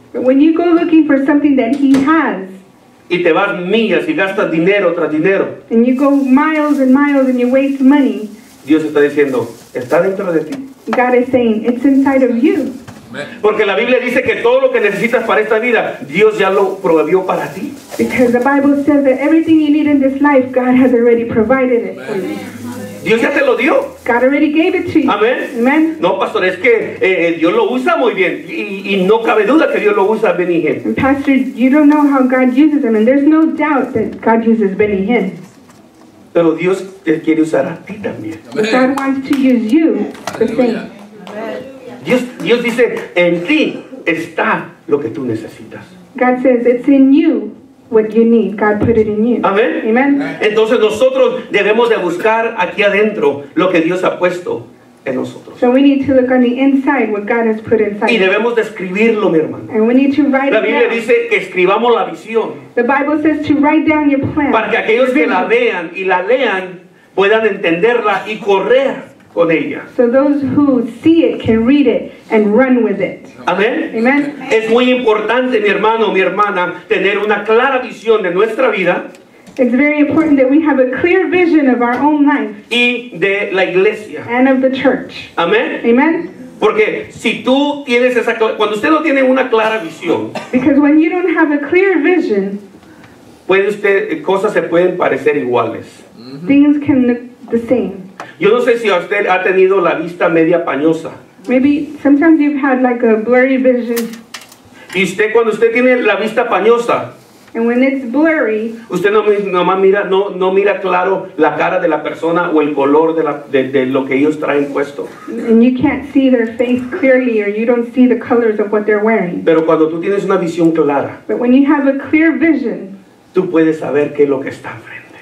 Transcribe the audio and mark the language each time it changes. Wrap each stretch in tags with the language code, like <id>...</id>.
<en>but when you go looking for something that he has,</en> <es>y te vas millas y gastas dinero tras dinero,</es> <en>and you go miles and miles and you waste money,</en> <es>Dios está diciendo, está dentro de ti.</es> <en>God is saying, it's inside of you.</en> <es>Porque la Biblia dice que todo lo que necesitas para esta vida, Dios ya lo proveyó para ti.</es> <en>Because the Bible says that everything you need in this life, God has already provided it for you.</en> <es>Dios ya te lo dio.</es> <en>God already gave it to you.</en> <es>Amén.</es> <en>Amen.</en> <es>No, pastor, es que Dios lo usa muy bien. Y no cabe duda que Dios lo usa a Benny Hinn.</es> <en>And pastor, you don't know how God uses him. And there's no doubt that God uses Benny Hinn.</en> <es>Pero Dios te quiere usar a ti también.</es> <en>Amen. God wants to use you the same.</en> <es>Dios dice, en ti está lo que tú necesitas.</es> <en>God says, it's in you. What you need, God put it in you. Amen. Amen.</en> <es>Entonces nosotros debemos de buscar aquí adentro lo que Dios ha puesto en nosotros.</es> <en>So we need to look on the inside what God has put inside.</en> <es>Y debemos de escribirlo, mi hermano.</es> <en>And we need to write it down.</en> <es>La Biblia dice que escribamos la visión.</es> <en>The Bible says to write down your plan.</en> <es>Para que aquellos que la vean y la lean puedan entenderla y correr con ella.</es> <en>So those who see it can read it and run with it.</en> <es>Amén.</es> <en>Amen.</en> <es>Es muy importante, mi hermano, mi hermana, tener una clara visión de nuestra vida.</es> <en>It's very important that we have a clear vision of our own life.</en> <es>Y de la iglesia.</es> <en>And of the church.</en> <es>Amén.</es> <en>Amen.</en> <es>Porque si tú tienes esa cuando usted no tiene una clara visión.</es> <en>Because when you don't have a clear vision,</en> <es>puede usted cosas se pueden parecer iguales.</es> <en>Things can look the same.</en> <es>Yo no sé si usted ha tenido la vista media pañosa.</es> <en>Maybe sometimes you've had like a blurry vision.</en> <es>Y usted cuando usted tiene la vista pañosa.</es> <en>And when it's blurry.</en> <es>Usted no mira claro la cara de la persona o el color de lo que ellos traen puesto.</es> <en>And you can't see their face clearly or you don't see the colors of what they're wearing.</en> <es>Pero cuando tú tienes una visión clara.</es> <en>But when you have a clear vision.</en> <es>Tú puedes saber qué es lo que está enfrente.</es>